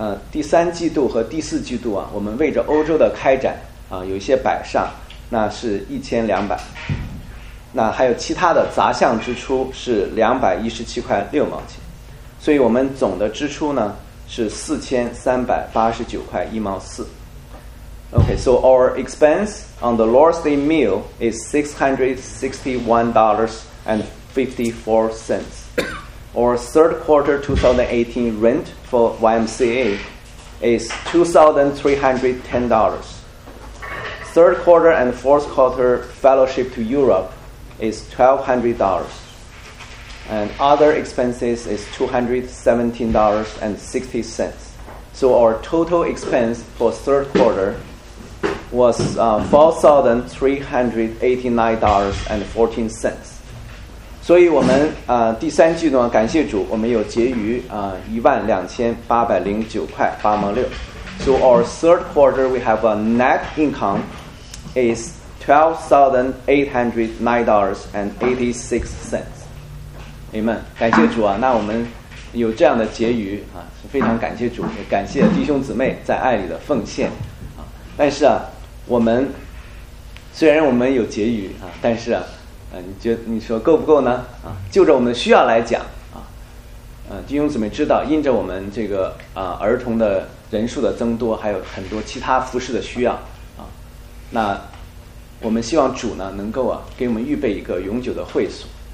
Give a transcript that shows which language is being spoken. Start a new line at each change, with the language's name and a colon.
Chinese: 第三季度和第四季度我们为着欧洲的开展有一些摆上，那是1,200。那还有其他的杂项支出是217块6毛钱，所以我们总的支出呢是4,389块1毛4。
English: Okay, so our expense on the Lord's Day meal is $661.54. Our third quarter 2018 rent for YMCA is $2,310. Third quarter and fourth quarter fellowship to Europe is $1,200. And other expenses is $217.60. So our total expense for third quarter was $4,389.14.
Chinese: 所以我们第三季度感谢主，我们有结余12,809块8毛6。
English: So our third quarter we have a net income is $12,809.86. Amen.
Chinese: 感谢主那我们有这样的结余是非常感谢主，也感谢弟兄姊妹在爱里的奉献但是我们虽然我们有结余但是你说够不够呢就着我们的需要来讲弟兄姊妹知道，因着我们这个儿童的人数的增多，还有很多其他服事的需要那我们希望主呢能够给我们预备一个永久的会所